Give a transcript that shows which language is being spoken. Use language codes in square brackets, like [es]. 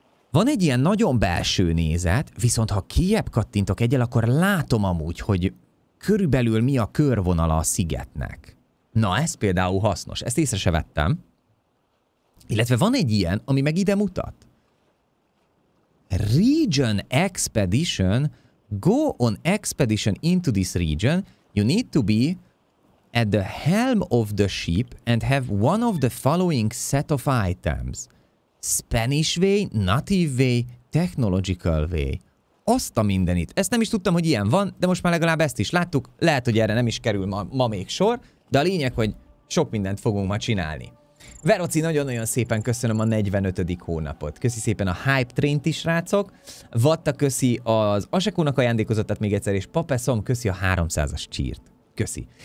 [hu] Van egy ilyen nagyon belső nézet, viszont ha kijebb kattintok egyel, akkor látom amúgy, hogy körülbelül mi a körvonala a szigetnek. Na, ez például hasznos, ezt észre se vettem. Illetve van egy ilyen, ami meg ide mutat. [en] Region expedition, go on expedition into this region, you need to be at the helm of the ship and have one of the following set of items. Spanish way, native way, technological way. [hu] Azt a mindenit. Ezt nem is tudtam, hogy ilyen van, de most már legalább ezt is láttuk. Lehet, hogy erre nem is kerül ma még sor, de a lényeg, hogy sok mindent fogunk ma csinálni. Veroci, nagyon-nagyon szépen köszönöm a 45. hónapot. Köszi szépen a Hype Train-t is, rácok. Vatta, köszi az Asekónak ajándékozottat még egyszer, és Papeszom, köszi a 300-as csírt. Köszi.